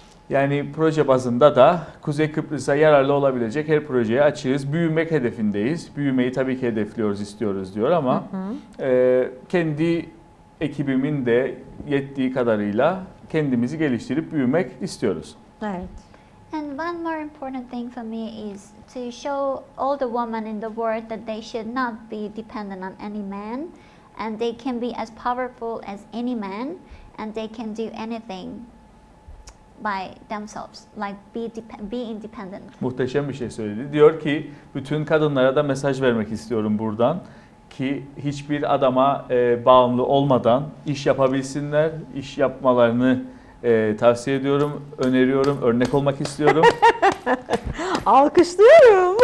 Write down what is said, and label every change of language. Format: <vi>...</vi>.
<tr>Yani proje bazında da Kuzey Kıbrıs'a yararlı olabilecek her projeye açığız. Büyümek hedefindeyiz. Büyümeyi tabii ki hedefliyoruz, istiyoruz diyor ama kendi ekibimin de yettiği kadarıyla kendimizi geliştirip büyümek istiyoruz. Evet.</tr> <en>And one more important thing for me is to show all the women in the world that they should not be dependent on any man and they can be as powerful as any man and they can do anything by themselves, like be independent.</en> <tr>Muhteşem bir şey söyledi. Diyor ki bütün kadınlara da mesaj vermek istiyorum buradan ki hiçbir adama bağımlı olmadan iş yapabilsinler, iş yapmalarını tavsiye ediyorum, öneriyorum, örnek olmak istiyorum. Alkışlıyorum.</tr>